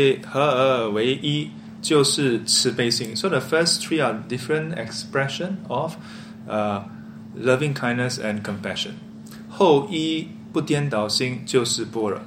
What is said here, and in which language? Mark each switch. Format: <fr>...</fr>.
<zh>前三种合而为一就是慈悲心.</zh> <en>So the first three are different expression of loving kindness and compassion.</en> <zh>后一不颠倒心就是般若.</zh>